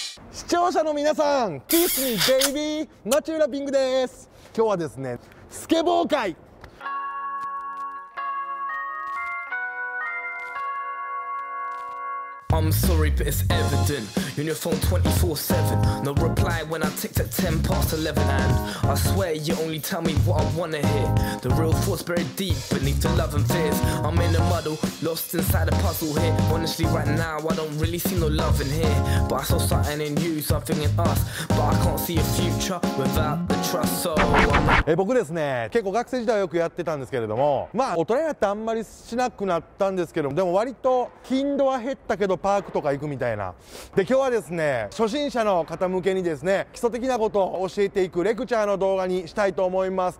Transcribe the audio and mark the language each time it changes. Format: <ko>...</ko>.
<ja>視聴者の皆さん、キスミベイビー、マチューラピングです。今日はですね、スケボー界</ja> <en>I'm sorry but it's evident You're on your phone 24-7 No reply when I text at 10 past 11 And I swear you only tell me what I wanna hear The real thoughts buried deep beneath the love and fears I'm in a muddle, lost inside a puzzle here Honestly right now I don't really see no love in here But I saw something in you, something in us But I can't see a future without the trust So I'm...</en> <ja>僕ですね、結構学生時代よくやってたんですけれども、まあ大人になってあんまりしなくなったんですけど、でも割と頻度は減ったけどパークとか行くみたいな。で、今日はですね、初心者の方向けにですね、基礎的なことを教えていくレクチャーの動画にしたいと思います。</ja>